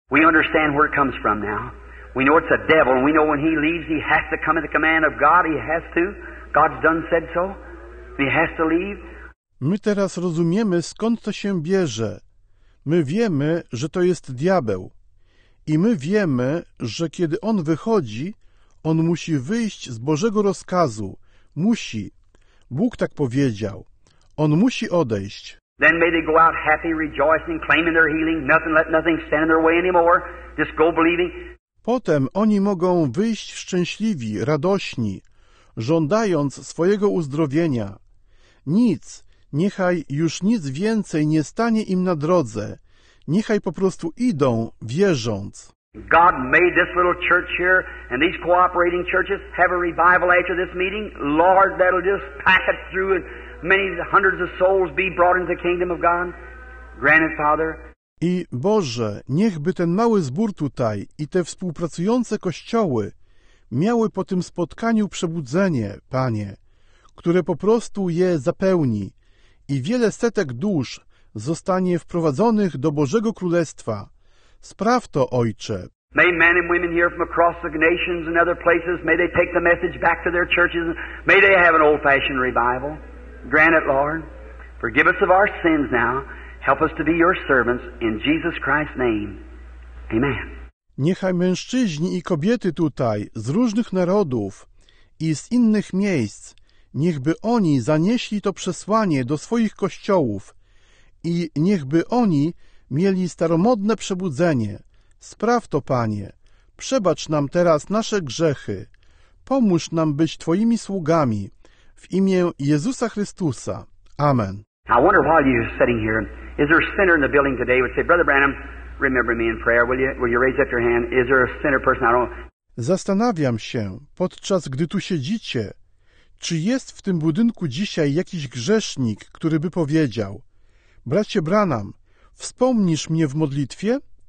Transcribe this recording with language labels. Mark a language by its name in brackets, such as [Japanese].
[English] We understand where it comes from now. We know it's a devil, and we know when he leaves, he has to come at the command of God. He has to. God's done said so. He has to leave. [Polish] My teraz rozumiemy, skąd to się bierze. My wiemy, że to jest diabeł. I my wiemy, że kiedy on wychodzi, on musi wyjść z Bożego rozkazu. Musi. Bóg tak powiedział. On musi odejść. [English] Then may they go out happy, rejoicing, claiming their healing. Nothing, let nothing stand in their way anymore. Just go believing. [Polish] Potem oni mogą wyjść szczęśliwi, radośni, żądając swojego uzdrowienia. Nic, niechaj już nic więcej nie stanie im na drodze. Niechaj po prostu idą, wierząc. [English] God made this little church here and these cooperating churches have a revival after this meeting. Lord, that'll just pack it through and many hundreds of souls be brought into the kingdom of God. Grant it, Father. [Polish] I Boże, niechby ten mały zbór tutaj i te współpracujące kościoły miały po tym spotkaniu przebudzenie, Panie, które po prostu je zapełni i wiele setek dusz zostanie wprowadzonych do Bożego Królestwa. Spraw to, Ojcze. [English] May men and women here from across the nations and other places, may they take the message back to their churches, may they have an old-fashioned revival. Grant it, Lord. Forgive us of our sins now. Help us to be your servants in Jesus Christ's name. Amen. [Polish] Niechaj mężczyźni i kobiety tutaj z różnych narodów i z innych miejsc, niechby oni zanieśli to przesłanie do swoich kościołów i niechby oni mieli staromodne przebudzenie. Spraw to, Panie. Przebacz nam teraz nasze grzechy. Pomóż nam być Twoimi sługami. W imię Jezusa Chrystusa. Amen. [English] I wonder why you're sitting here. Is there a sinner in the building today would say, Brother Branham, remember me in prayer. Will you raise up your hand? Is there a sinner person? I don't. [Polish] Zastanawiam się, podczas gdy tu siedzicie, czy jest w tym budynku dzisiaj jakiś grzesznik, który by powiedział, bracie Branham, wspomnisz mnie w modlitwie?